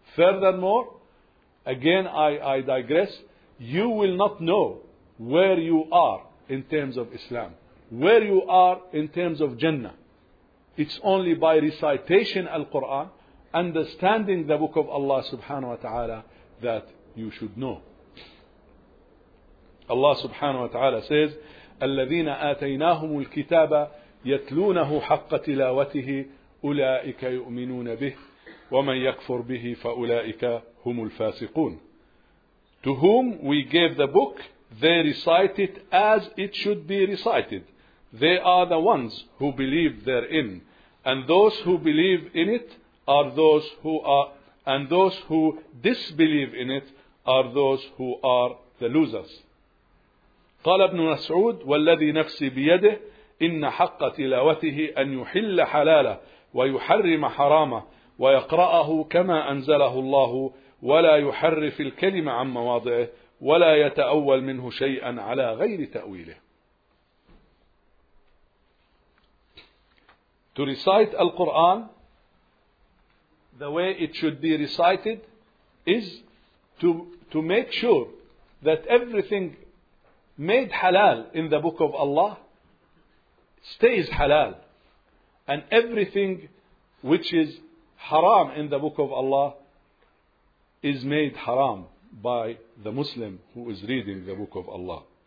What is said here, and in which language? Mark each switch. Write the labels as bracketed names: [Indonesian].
[English] Furthermore, again I digress, you will not know where you are in terms of Islam, where you are in terms of Jannah. It's only by recitation Al-Quran, understanding the book of Allah subhanahu wa ta'ala, that you should know. Allah subhanahu wa ta'ala says, [Arabic] الذين آتيناهم الكتاب يتلونه حق تلاوته أولئك يؤمنون به ومن يكفر به فأولئك هم الفاسقون. [English] To whom we gave the book, they recite it as it should be recited. They are the ones who believe therein, and those who believe in it are those who are, and those who disbelieve in it are those who are the losers. [Arabic] قال ابن مسعود والذي نفسي بيده إن حق تلاوته أن يحل حلاله ويحرم حرامه ويقرأه كما أنزله الله ولا يحرف الكلمة عن مواضعه ولا يتأول منه شيئا على غير تأويله. [English] To recite Al-Quran, the way it should be recited is to make sure that everything made halal in the book of Allah stays halal, and everything which is haram in the book of Allah is made haram by the Muslim who is reading the book of Allah.